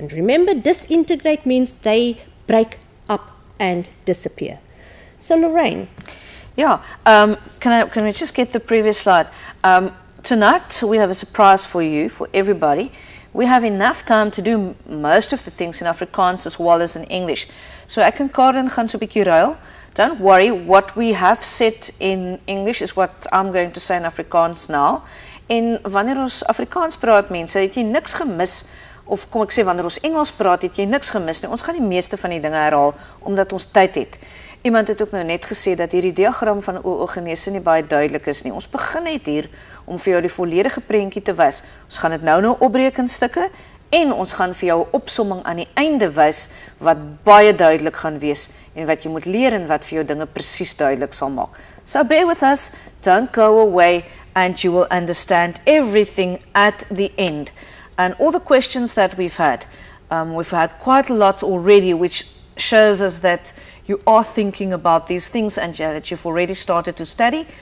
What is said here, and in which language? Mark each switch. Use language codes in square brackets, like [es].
[en] And remember, disintegrate means they break up and disappear. So, Lorraine. Yeah, can we just get the previous slide? Tonight, we have a surprise for you, for everybody. We have enough time to do most of the things in Afrikaans as well as in English. [af] So ek en Karen gaan so 'n bietjie ruil. [en] Don't worry, what we have said in English is what I'm going to say in Afrikaans now. [af] En wanneer ons Afrikaans praat, mense, het jy niks gemis. Of kom ek sê, wanneer ons Engels praat, het jy niks gemis. Nou, ons gaan die meeste van die dinge herhaal, omdat ons tyd het. Iemand het ook nou net gesê dat hierdie diagram van oogenese nie baie duidelik is nie. Ons begin net hier om vir jou die volledige prentjie te wys. Ons gaan dit nou opbreek in stukke en ons gaan vir jou 'n opsomming aan die einde wys wat baie duidelik gaan wees en wat jy moet leer en wat vir jou dinge presies duidelik sal maak. [en] So bear with us, don't go away and you will understand everything at the end. And all the questions that we've had quite a lot already, which shows us that you are thinking about these things and that you've already started to study.